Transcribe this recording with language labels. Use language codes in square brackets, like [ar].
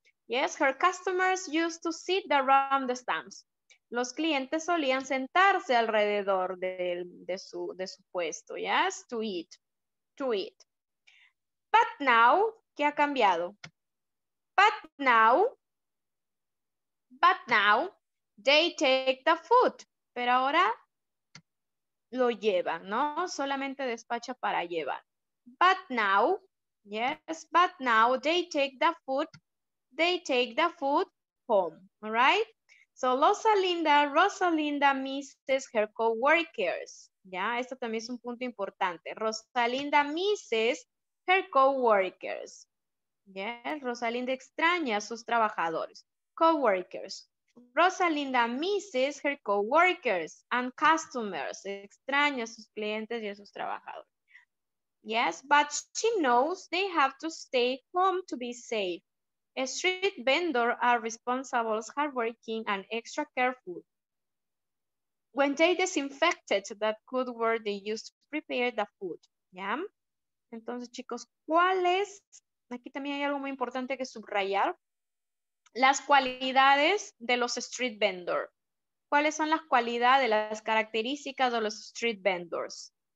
[en] Yes, her customers used to sit around the stamps. [es] Los clientes solían sentarse alrededor de su puesto, [en] yes, to eat. But now, [es] ¿qué ha cambiado? [en] But now, they take the food. [es] Pero ahora lo llevan, ¿no? Solamente despacha para llevar. [en] But now, they take the food home, all right? So, Rosalinda misses her coworkers. [es] Ya, esto también es un punto importante. [en] Rosalinda misses her coworkers. [es] Yes, Rosalinda extraña a sus trabajadores. Coworkers. [en] Rosalinda misses her coworkers and customers. [es] Extraña a sus clientes y a sus trabajadores. [en] Yes, but she knows they have to stay home to be safe. Street vendors are responsible, hardworking, and extra careful. When they disinfected that good word they used to prepare the food. [es] Yeah? Entonces, chicos, ¿cuál es? Aquí también hay algo muy importante que subrayar. Las cualidades de los street vendors. ¿Cuáles son las cualidades, las características de los street vendors?